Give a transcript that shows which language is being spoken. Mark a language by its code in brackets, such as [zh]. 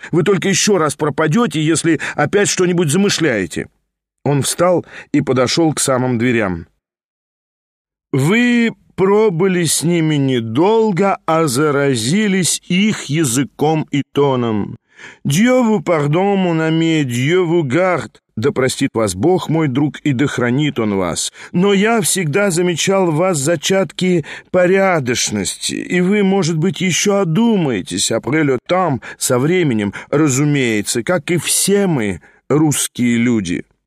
[ru] Вы только еще раз пропадете, если опять что-нибудь замышляете». Он встал и подошел к самым дверям. «Вы пробыли с ними недолго, а заразились их языком и тоном. [fr] Dieu vous pardonne, mon ami, Dieu vous garde. [ru] Да простит вас Бог, мой друг, и да хранит он вас. Но я всегда замечал в вас зачатки порядочности, и вы, может быть, еще одумаетесь, апрель там, со временем, разумеется, как и все мы, русские люди.